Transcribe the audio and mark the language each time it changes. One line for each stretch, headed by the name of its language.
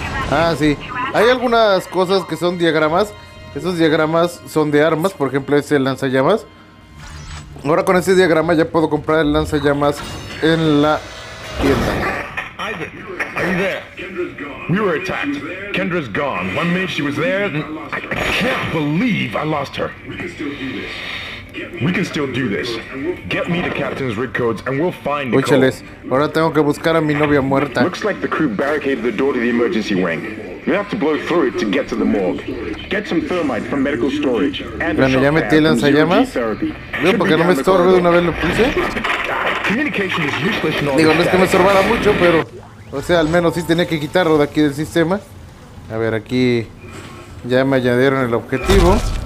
Spanish: Ah, sí. Hay algunas cosas que son diagramas. Esos diagramas son de armas. Por ejemplo, ese lanzallamas. Ahora con ese diagrama ya puedo comprar el lanzallamas en la tienda.
English: Are you there? We were attacked. Kendra's gone. One minute she was there, and I can't believe I lost her. We can still do this. Get me the captain's rig codes, and we'll find Nicole.
Spanish: Úchales, ahora tengo que buscar a mi novia muerta.
English: Looks like the crew barricaded the door to the emergency wing. You have to blow through it to get to the morgue. Get some thermite from medical storage. And
Spanish: bueno, ya metí lanzallamas. Veo porque no me estorbe de una vez lo puse.
English: Communication is useless in all.
Spanish: Digo, no es que me estorbara mucho, pero... o sea, al menos sí tenía que quitarlo de aquí del sistema. A ver, aquí ya me añadieron el objetivo.